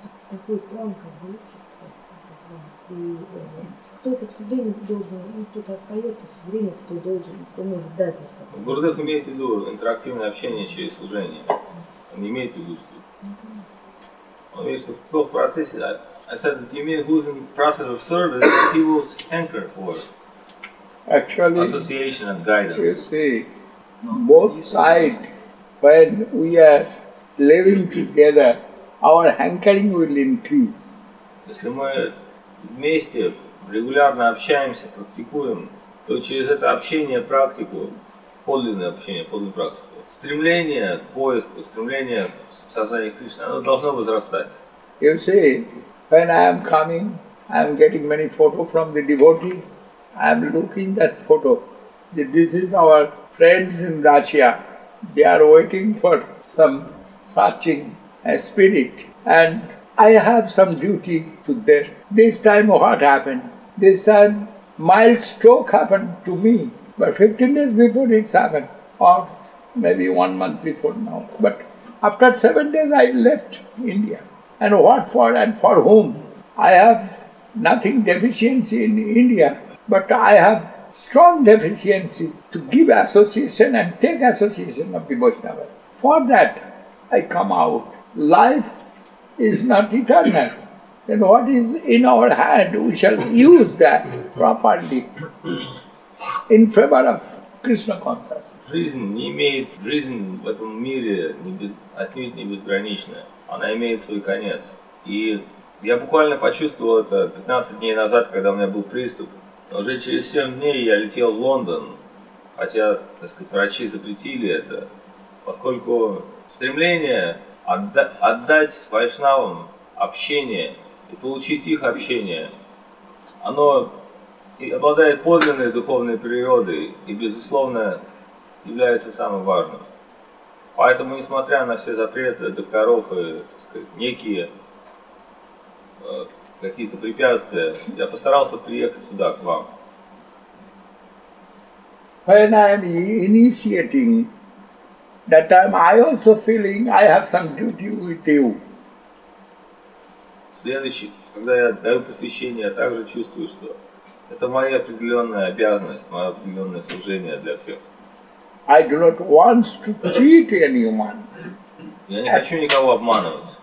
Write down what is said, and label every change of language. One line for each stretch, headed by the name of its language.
Russian: Такой план, как бы, общество. И кто-то все время должен, ну, кто-то остается все время, кто должен, кто может дать это. Гурудев имеет в виду интерактивное общение через служение. Он имеет в виду, что... Он имеет в виду, что в процессе, да.
English: I said that you mean who's in the process of service, he will anchor for actually, association and guidance. You see, both sides, when we are living together, our hankering will increase.
Russian: Если мы вместе регулярно общаемся, практикуем, то через это общение, практику, подлинное общение, подлинную практику, стремление к поиску, стремление к сознанию Кришны, оно должно возрастать.
English: You see, when I am coming, I am getting many photos from the devotee, I am looking that photo. This is our friends in Russia. They are waiting for some searching spirit. And I have some duty to them. This time what happened? This time mild stroke happened to me. But 15 days before it happened. Or maybe 1 month before now. But after 7 days I left India. And what for and for whom? I have nothing deficiency in India. But I have strong deficiency to give association and take association of the Vaishnava. For that, I come out. Life is not eternal. Then what is in our hand, we shall use that properly in favor of Krishna consciousness.
Russian: Жизнь не имеет, жизнь в этом мире не без, отнюдь не безграничная. Она имеет свой конец. И я буквально почувствовал это 15 дней назад, когда у меня был приступ. Но уже через 7 дней я летел в Лондон, хотя, так сказать, врачи запретили это, поскольку стремление отдать вайшнавам общение и получить их общение, оно и обладает подлинной духовной природой и, безусловно, является самым важным. Поэтому, несмотря на все запреты докторов и, так сказать, некие какие-то препятствия, я постарался приехать сюда, к вам.
English: When I am initiating, that time I also feeling I have some duty with you.
Russian: Следующий, когда я даю посвящение, я также чувствую, что это моя определенная обязанность, мое определенное служение для всех.
English: I do not want to cheat anyone.
Russian: Я не хочу никого обманывать.